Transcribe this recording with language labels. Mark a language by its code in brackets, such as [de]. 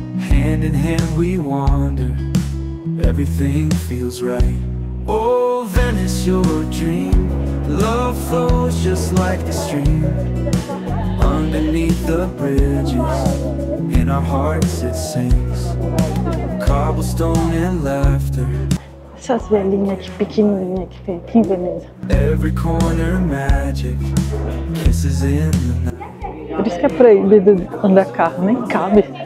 [en] Hand in hand we wander, everything feels right. Oh, Venice, your dream, love flows just like the stream. Underneath the bridges, in our hearts it sings. Cobblestone and laughter. [pt] Essas velhinhas aqui, pequenininhas que tem aqui em Veneza. [en] Every corner magic, kisses in the night. [pt] Por isso que é proibido andar carro, nem cabe.